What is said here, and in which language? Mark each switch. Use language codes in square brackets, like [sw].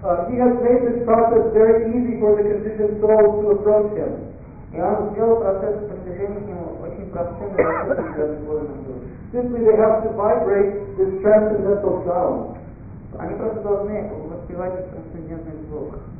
[en] He has made this process very easy for the conditioned souls to approach Him. [ru] И Он сделал процесс притяжения к Нему очень простым и доступным для разговорных душ. [en] Simply they have to vibrate this transcendental sound. [ru] Они просто должны воспевать этот трансцендентный звук.